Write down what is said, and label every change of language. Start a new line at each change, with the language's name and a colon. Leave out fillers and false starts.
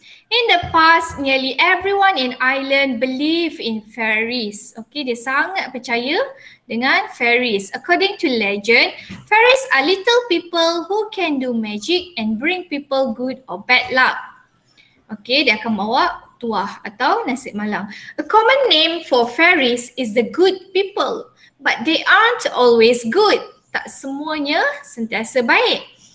English: In the past, nearly everyone in Ireland believe in fairies.
Malay: Okay, dia sangat percaya dengan fairies.
English: According to legend, fairies are little people who can do magic and bring people good or bad luck.
Malay: Okay, dia akan bawa tuah atau nasi malang.
English: A common name for fairies is the good people, but they aren't always good.
Malay: Tak semuanya sentiasa baik.